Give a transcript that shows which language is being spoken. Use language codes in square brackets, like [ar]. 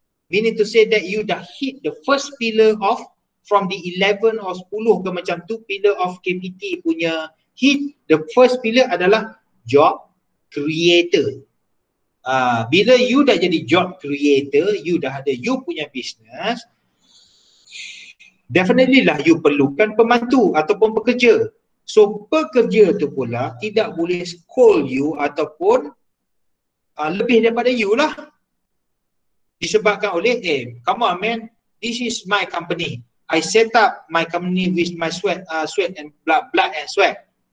[en] We need to say that you [ms] dah [en] hit the first pillar of from the 11 or 10 [ms] ke macam tu [en] pillar of KPT [ms] punya [en] hit. The first pillar [ms] adalah [en] job creator. [ms] Bila you dah jadi job creator, you dah ada you punya business, definitely lah you perlukan pembantu ataupun pekerja. So pekerja tu pula tidak boleh scold you ataupun lebih daripada you lah. Disebabkan oleh, [en] come on man, this is my company. I set up my company with my sweat blood and sweat.